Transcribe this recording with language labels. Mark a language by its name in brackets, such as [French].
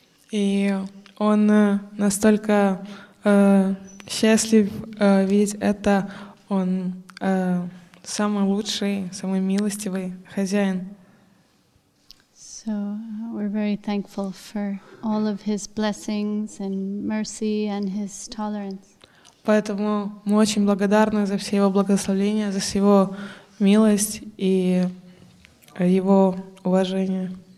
[Russian] И он настолько счастлив видеть это. Он самый лучший, самый милостивый хозяин. [English] So we're very thankful for all of his blessings and mercy and his tolerance. [Russian] Поэтому мы очень благодарны за все его благословения, за его милость и его уважение.